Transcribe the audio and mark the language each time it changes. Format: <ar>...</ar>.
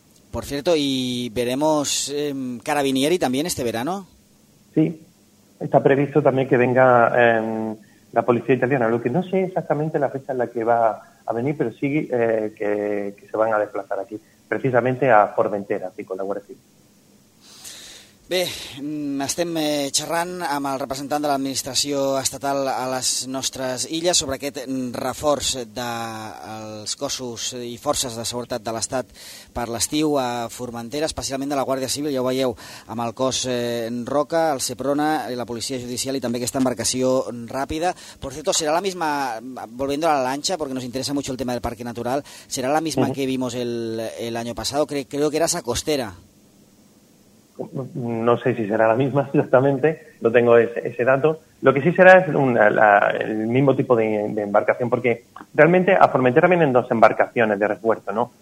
<es>Por cierto, ¿y veremos Carabinieri también este verano? Sí, está previsto también que venga la policía italiana, lo que no sé exactamente la fecha en la que va a venir, pero sí que se van a desplazar aquí, precisamente a Formentera, así con la Guardia Civil.</es> <ca>Bé, estem xerrant amb el representant de l'administració estatal a les nostres illes sobre aquest reforç dels cossos i forces de seguretat de l'Estat per l'estiu a Formentera, especialment de la Guàrdia Civil, ja ho veieu, amb el cos Roca, el Seprona, la policia judicial i també aquesta embarcació ràpida.</ca> <es>Por cierto, serà la misma, volviendo a la lancha, porque nos interesa mucho el tema del parque natural, serà la misma que vimos el año pasado, creo que era esa costera. No sé si será la misma exactamente, no tengo ese dato. Lo que sí será es el mismo tipo de embarcación, porque realmente a Formentera vienen dos embarcaciones de refuerzo, ¿no?</es>